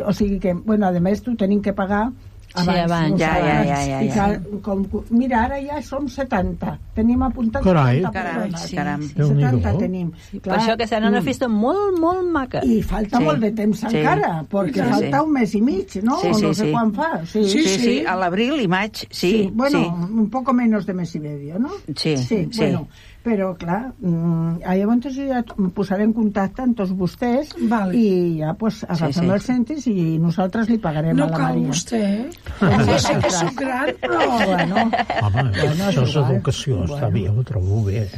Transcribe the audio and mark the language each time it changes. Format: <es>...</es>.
<ca>O sigui que, bueno, a més, t'ho tenim que pagar abans. Sí, abans. Mira, ara ja som 70. Tenim apuntat 70. Carai, caram. 70 tenim. Per això que serà una festa molt, molt maca. I falta molt de temps encara, perquè falta un mes i mig, no? Sí. No sé quan fa. Sí. A l'abril i maig, sí.</ca> <es>Bueno, un poco menos de mes y medio, no? Sí.</es> <ca>Però, clar, llavors ja posaré en contacte amb tots vostès i ja, doncs, agafem els cèntims i nosaltres li pagarem a la Maria. No cal vostè, Ja sé que soc gran, però... Home, això és educació, bueno. Està bé, ho trobo bé.</ca>